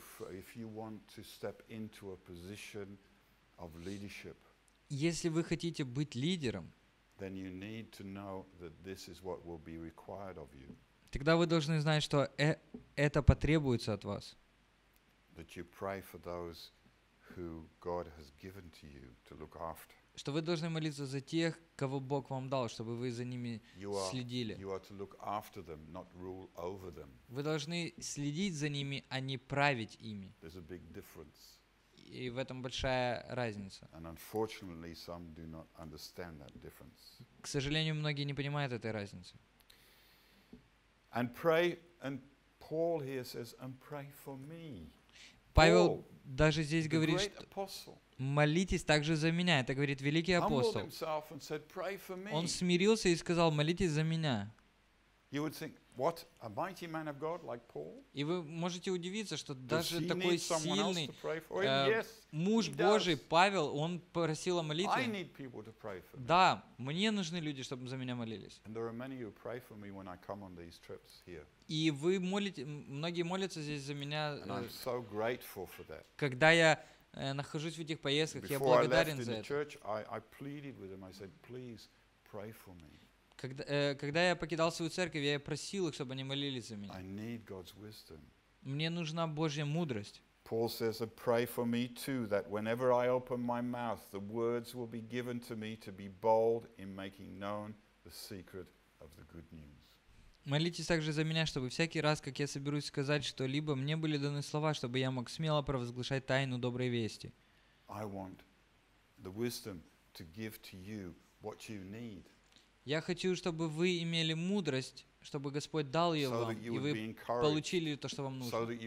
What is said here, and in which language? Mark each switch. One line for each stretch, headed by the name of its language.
English: If you want to step into a position of leadership,
Russian: если вы хотите быть лидером,
English: then you need to know that this is what will be required of you.
Russian: Тогда вы должны знать, что это потребуется от вас.
English: That you pray for those who God has given to you to look after.
Russian: Что вы должны молиться за тех, кого Бог вам дал, чтобы вы за ними следили.
English: You are to look after them, not rule over them.
Russian: Вы должны следить за ними, а не править ими.
English: There's a big difference.
Russian: и в этом большая разница.
English: And unfortunately, some do not understand that difference.
Russian: К сожалению, многие не понимают этой разницы.
English: And pray, and Paul here says, and pray for me.
Russian: Павел даже здесь говорит, что молитесь также за меня. Это говорит великий апостол. Он смирился и сказал, молитесь за меня.
English: You would think, what, a mighty man of God like Paul?
Russian: И вы можете удивиться, что даже такой сильный муж Божий, Павел, он просил о молитве.
English: I need people to pray for me.
Russian: Да, мне нужны люди, чтобы за меня молились.
English: And there are many who pray for me when I come on these trips here.
Russian: И вы молите, многие молятся здесь за меня.
English: And I'm so grateful for that.
Russian: Когда я нахожусь в этих поездках,
English: before
Russian: я благодарен за это.
English: Church, I pleaded with him. I said, please pray for me.
Russian: Когда я покидал свою церковь, я просил их, чтобы они молились за меня. Мне нужна Божья мудрость.
English: Paul says, pray for me too, that whenever I open my mouth, the words will be given to me to be bold in making known the secret of the good news.
Russian: Молитесь также за меня, чтобы всякий раз, как я соберусь сказать что-либо, мне были даны слова, чтобы я мог смело провозглашать тайну доброй вести.
English: I want the wisdom to give to you what you need.
Russian: Я хочу, чтобы вы имели мудрость, чтобы Господь дал ее вам, и вы получили то, что вам нужно.